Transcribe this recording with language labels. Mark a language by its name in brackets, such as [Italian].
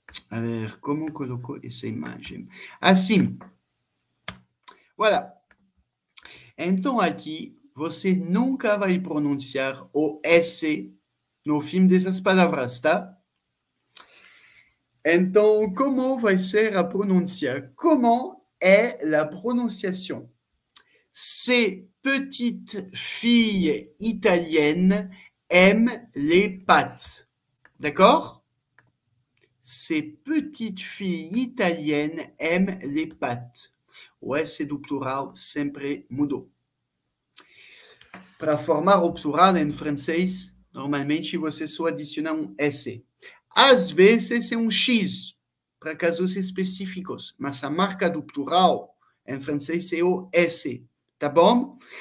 [Portuguese] A ver, como colocou essa imagem? Assim. Voilà. Então, aqui, você nunca vai pronunciar o S no fim dessas palavras, tá? Então, como vai ser a pronúncia? Como é a pronunciação? [French] Ces petites filles italiennes aiment les pâtes. D'accord? Ces petites filles italiennes aiment les pâtes. [Portuguese] O S do plural sempre mudou. Para formar o plural em francês, normalmente você só adiciona um S. Às vezes é um X, para casos específicos, mas a marca do plural em francês é o S. Tá bom?